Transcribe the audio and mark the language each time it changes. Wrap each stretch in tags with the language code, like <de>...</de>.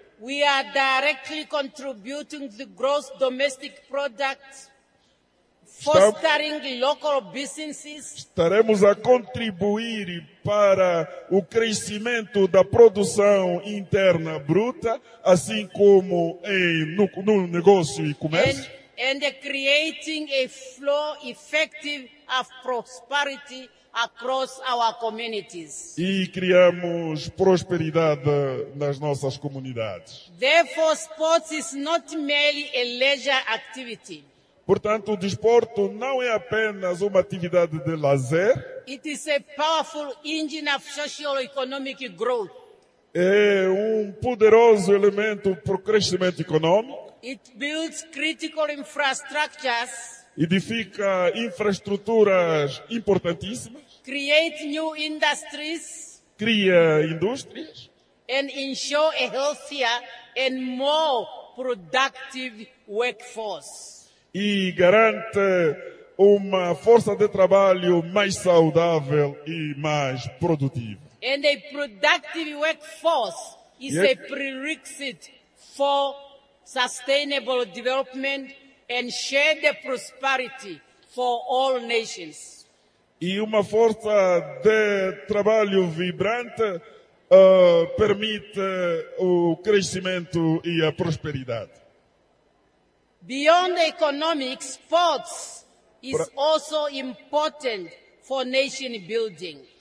<en>we are directly contributing to the gross domestic product, fostering local businesses.</en> <pt>Estaremos a contribuir para o crescimento da produção interna bruta, assim como no negócio e comércio.</pt> <en>And creating a flow effective of prosperity across our communities.</en> <pt>E criamos prosperidade nas nossas comunidades.</pt> <en>Therefore, sports is not merely a leisure activity.</en> <pt>Portanto, o desporto não é apenas uma atividade de lazer.</pt> <en>It is a powerful engine of socio-economic growth.</en> <pt>É um poderoso elemento para o crescimento econômico.</pt> <en>It builds critical infrastructures.</en> <pt>Edifica infraestruturas importantíssimas.</pt> <en>Create new industries.</en> <pt>Cria indústrias.</pt> <en>And ensure a healthier and more productive workforce.</en> <pt>E garante uma força de trabalho mais saudável e mais produtiva.</pt> <en>And a productive workforce is a prerequisite for sustainable development and shared prosperity for all nations.</en> <pt>E uma força de trabalho vibrante permite o crescimento e a prosperidade.</pt> <en>Beyond economics, sports is also important for nation building.</en>